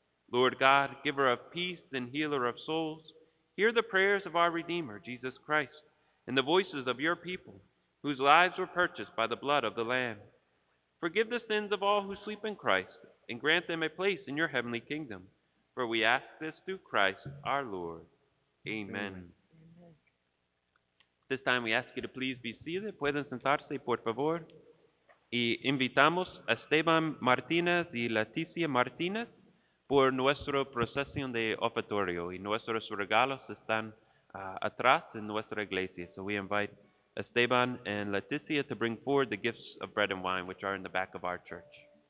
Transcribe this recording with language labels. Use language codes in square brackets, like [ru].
[en] Lord God, giver of peace and healer of souls, hear the prayers of our Redeemer, Jesus Christ, and the voices of your people, whose lives were purchased by the blood of the Lamb. Forgive the sins of all who sleep in Christ, and grant them a place in your heavenly kingdom. For we ask this through Christ our Lord. Amen. This time we ask you to please be seated. [es] Pueden sentarse, por favor. Y invitamos a Esteban Martínez y Leticia Martínez por nuestra procesión de ofertorio, y nuestros regalos están atrás en nuestra iglesia. [en] So we invite Esteban and Leticia to bring forward the gifts of bread and wine, which are in the back of our church.